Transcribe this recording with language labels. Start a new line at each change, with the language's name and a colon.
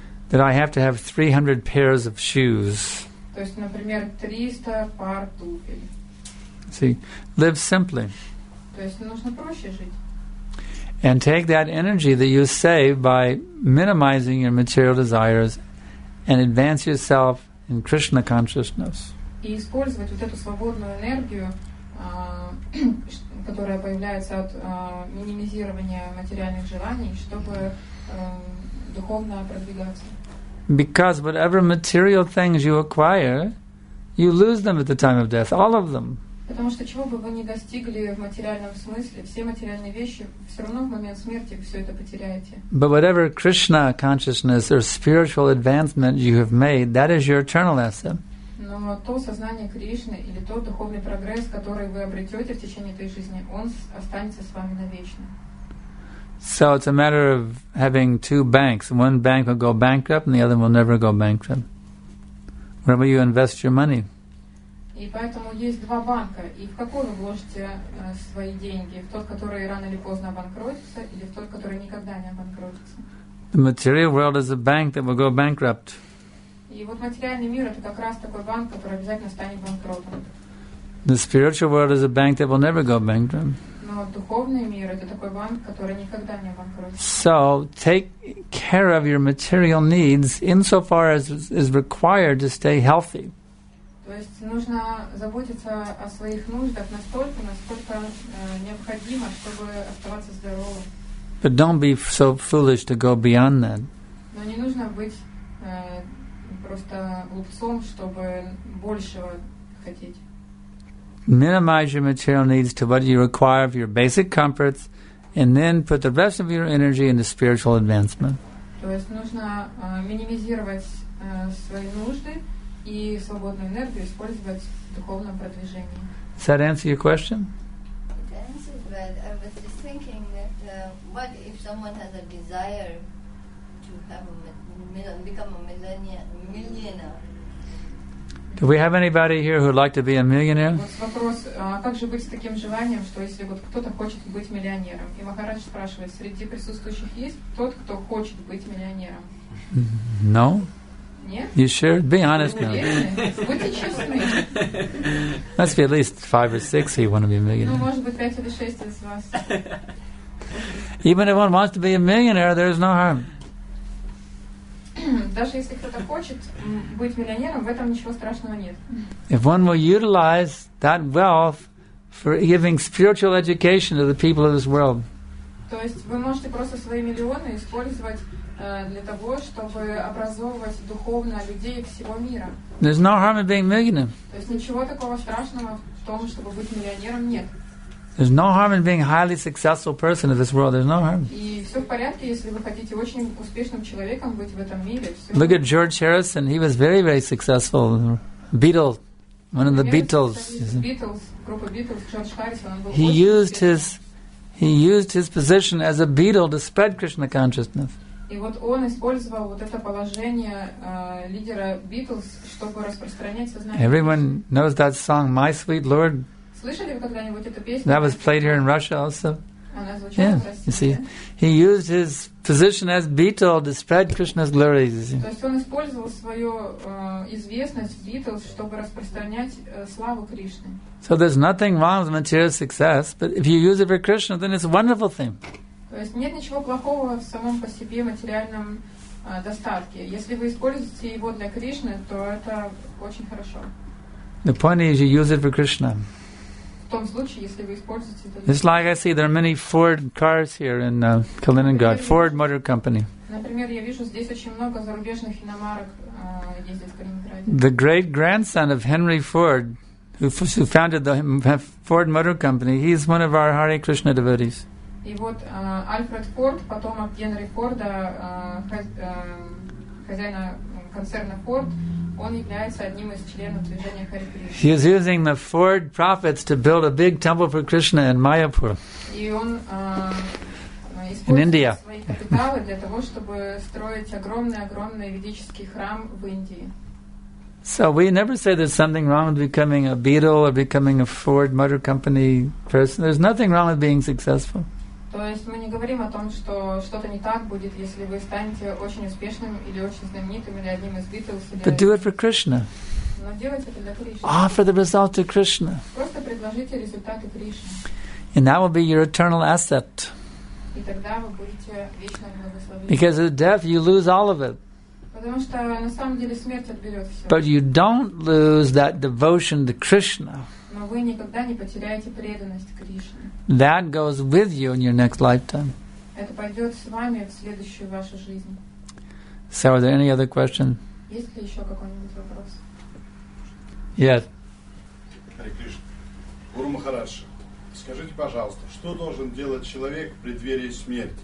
English: That I have to have 300 pairs of shoes.
Russian: То есть, например, 300 пар туфель.
English: See, live simply.
Russian: То есть, нужно проще жить.
English: And take that energy that you save by minimizing your material desires and advance yourself in Krishna consciousness.
Russian: И использовать вот эту свободную энергию, которая появляется от минимизирования материальных желаний, чтобы духовно продвигаться.
English: Because whatever material things you acquire, you lose them at the time of death, all of them.
Russian: Потому что чего бы вы ни достигли в материальном смысле, все материальные вещи все равно в момент смерти все это потеряете.
English: But whatever Krishna consciousness or spiritual advancement you have made, that is your eternal asset.
Russian: Но то сознание Кришны или тот духовный прогресс, который вы обретете в течение этой жизни, он останется с вами навечно.
English: So it's a matter of having two banks. One bank will go bankrupt and the other will never go bankrupt. Wherever you invest your money.
Russian: И поэтому есть два банка. И в какой вы вложите свои деньги? В тот, который рано или поздно обанкротится, или в тот, который никогда не обанкротится?
English: The material world is a bank that will go bankrupt.
Russian: И вот материальный мир — это как раз такой банк, который обязательно станет банкротом.
English: The spiritual world is a bank that will never go bankrupt.
Russian: Но духовный мир — это такой банк, который никогда не обанкротится.
English: So take care of your material needs insofar as is required to stay healthy.
Russian: То есть нужно заботиться о своих нуждах настолько, насколько необходимо, чтобы оставаться здоровым.
English: But don't be so foolish to go beyond that.
Russian: Но не нужно быть просто глупцом, чтобы большего хотеть.
English: Minimize your material needs to what you require for your basic comforts, and then put the rest of your energy into spiritual advancement.
Russian: То есть нужно минимизировать свои нужды. И свободную энергию использовать в духовном продвижении.
English: Does that answer your question? It answers, but I was just thinking that what if someone has a desire to become a millionaire? Do we have anybody here who would like to be a millionaire?
Russian: Вот вопрос, как же быть с таким желанием, что если вот кто-то хочет быть миллионером? И Махарадж спрашивает, среди присутствующих есть тот, кто хочет быть миллионером?
English: No. Yeah. You sure? Be honest now. Must be at least 5 or 6 who want to be a millionaire. Even if one wants to be a millionaire, there is no harm. If one will utilize that wealth for giving spiritual education to the people of this world.
Russian: То есть вы можете просто свои миллионы использовать для того, чтобы образовывать духовно людей всего мира.
English: There's no harm in being a millionaire.
Russian: То есть ничего такого страшного в том, чтобы быть миллионером, нет.
English: There's no harm in being a highly successful person in this world. There's no harm.
Russian: И все в порядке, если вы хотите очень успешным человеком быть в этом мире.
English: Look at George Harrison. He was very, very successful. Beatles. One of the Beatles.
Russian: Beatles. Группа Beatles. George Harrison.
English: He used his... He used his position as a beetle to spread Krishna consciousness.
Russian: И вот он использовал вот это положение лидера Beatles, чтобы распространять сознание.
English: Everyone knows that song, "My Sweet Lord."
Russian: Слышали вы когда-нибудь эту песню?
English: That was played here in Russia also.
Russian: Она звучала в России.
English: Yeah, you see, he used his position as beetle to spread Krishna's glory.
Russian: То есть он использовал свою известность Beatles, чтобы распространять славу Кришны.
English: So there's nothing wrong with material success, but if you use it for Krishna, then it's a wonderful thing.
Russian: То есть нет ничего плохого в самом по себе материальном достатке. Если вы используете его для Кришны, то это очень хорошо.
English: The point is, you use it for Krishna.
Russian: В том случае, если вы используете это.
English: It's like I see there are many Ford cars here in Kaliningrad.
Russian: Например, Ford Motor Company. Например, я вижу здесь очень много зарубежных иномарок ездят в Калининграде.
English: The great grandson of Henry Ford, who founded the Ford Motor Company, he's one of our Hare Krishna devotees.
Russian: И вот Альфред Форд, потомок Генри Форда, хозяина концерна Форд, он является одним из членов движения Hare Krishna.
English: He is using the Ford profits to build a big temple for Krishna in Mayapur.
Russian: И он использует свои капиталы для того, чтобы строить огромный ведический храм в Индии.
English: So we never say there's something wrong with becoming a Beetle or becoming a Ford Motor Company person. There's nothing wrong with being successful.
Russian: То есть мы не говорим о том, что что-то не так будет, если вы станете очень успешным или очень знаменитым или одним из Beatles.
English: But do it for Krishna.
Russian: Но делайте это для
English: Кришны. Offer the result to Krishna.
Russian: Просто предложите результаты Кришне.
English: And that will be your eternal asset.
Russian: И тогда вы будете вечно благословенны.
English: Because of death, you lose all of it.
Russian: Потому что на самом деле смерть отберет все.
English: But you don't lose that devotion to Krishna.
Russian: Но вы никогда не потеряете преданность Кришне.
English: That goes with you in your next lifetime.
Russian: Это пойдет с вами в следующую вашу жизнь.
English: So, are there any other questions?
Russian: Есть ли еще какой-нибудь вопрос?
English: Yes. Hare Krishna.
Russian: Гуру Махарадж, скажите, пожалуйста, что должен делать человек в преддверии смерти?